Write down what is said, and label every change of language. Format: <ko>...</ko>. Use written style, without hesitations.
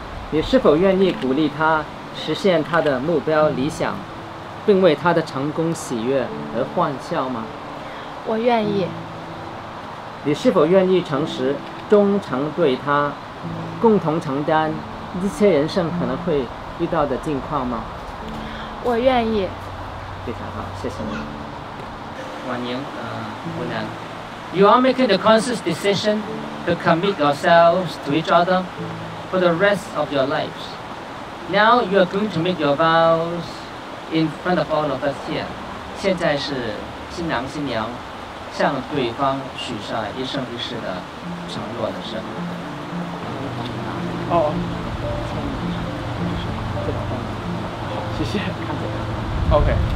<zh>你是否愿意鼓励他实现他的目标理想，并为他的成功喜悦而欢笑吗？我愿意。你是否愿意诚实忠诚对他，共同承担一切人生可能会遇到的境况吗？我愿意。非常好，谢谢你。</zh> <en>婉莹，湖南， You are making the conscious decision to commit yourselves to each other for the rest of your lives. Now you are going to make your vows in front of all of us here.</en> <zh>现在是新郎新娘向对方许下一生一世的承诺的时候。谢谢。看着他。OK.</zh>